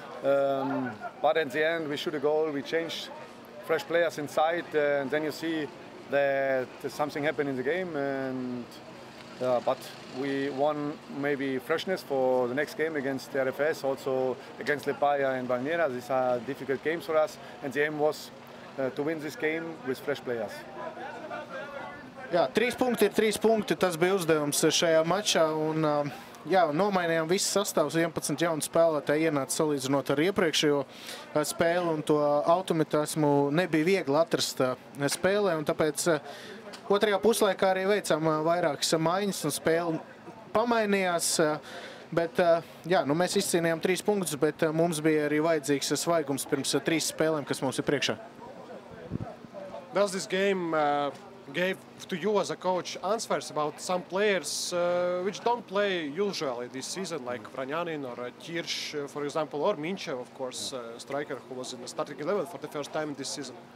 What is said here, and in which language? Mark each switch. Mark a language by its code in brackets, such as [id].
[en] But at the end, we shoot a goal, we changed fresh players inside, and then you see that something happened in the game. And but we won maybe freshness for the next game against the RFS, also against Lepaya and Valmiera. These are difficult games for us, and the aim was to win this game with fresh players. [lv] Jā, trīs punkti ir trīs punkti, tas bija uzdevums šajā mačā, un jā, nomainījām visu sastāvu, 11 jaunu spēlētāji ienāca salīdzinot ar iepriekšējo spēli, un to automatismu nebija viegli atrast spēlē, un tāpēc otrajā puslaikā arī veicām vairākas maiņas, un spēle pamainījās, bet jā, nu mēs izcīnījām trīs punktus, bet mums bija arī vajadzīgs svaigums pirms trīs spēlēm, kas mums ir priekšā. [en] Does this game gave to you as a coach answers about some players which don't play usually this season, like Vranjanin or Kirsch, for example, or Minchev, of course, striker who was in the starting 11 for the first time this season?